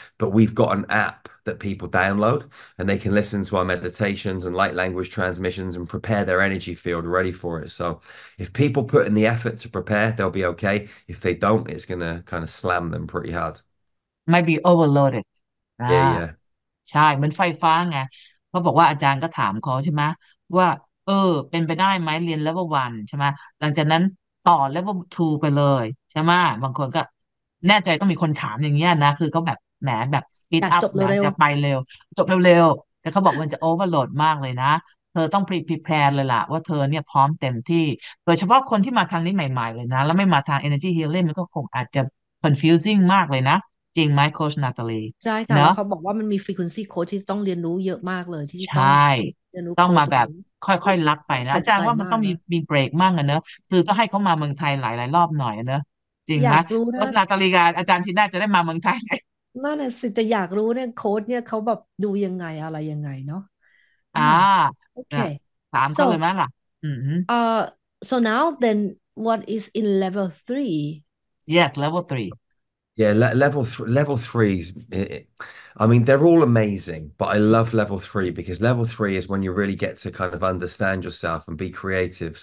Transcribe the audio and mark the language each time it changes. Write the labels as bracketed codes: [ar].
[en] But we've got an app that people download and they can listen to our meditations and light language transmissions and prepare their energy field ready for it. So if people put in the effort to prepare, they'll be okay. If they don't, it's going to kind of slam them pretty hard. Might be overloaded. Yeah. [th] ใช่ มันไฟฟ้าไง เขาบอกว่าอาจารย์ก็ถามเขาใช่ไหม ว่าเออ เป็นไปได้ไหม เรียน level 1 ใช่ไหม หลังจากนั้นต่อ level 2 ไปเลยใช่ไหม บางคนก็แน่ใจต้องมีคนถามอย่างเงี้ยนะ คือเขาแบบแหมแบบ speed up จะไปเร็ว จบเร็ว แต่เขาบอกมันจะ overload มากเลยนะ เธอต้อง prepare เลยล่ะว่าเธอเนี่ยพร้อมเต็มที่ โดยเฉพาะคนที่มาทางนี้ใหม่ๆเลยนะ แล้วไม่มาทาง energy healing มันก็คงอาจจะ confusing มากเลยนะจริงไหมโค้ชนาตาลี ใช่ค่ะ [en] no? [th] แล้วเขาบอกว่ามันมีฟรีควนซี่โค้ชที่ต้องเรียนรู้เยอะมากเลยที่ ใช่ต้องมาแบบค่อยๆลักไปนะอาจารย์ว่ามันต้องมีเบรกมากอะเนอะคือก็ให้เขามาเมืองไทยหลายๆรอบหน่อยอะเนอะจริงไหมโค้ชนาตาลีกับอาจารย์ที่น่าจะได้มาเมืองไทยไ หมนั่นแหละสิแต่อยากรู้เนี่ยโค้ชเนี่ยเขาแบบดูยังไงอะไรยังไงเน า ะ โอเคถามเขาเลยไหมล่ะ [en] so now then what is in level 3 yes level 3 Yeah, level threes, I mean, they're all amazing, but I love level three because level three is when you really get to kind of understand yourself and be creative.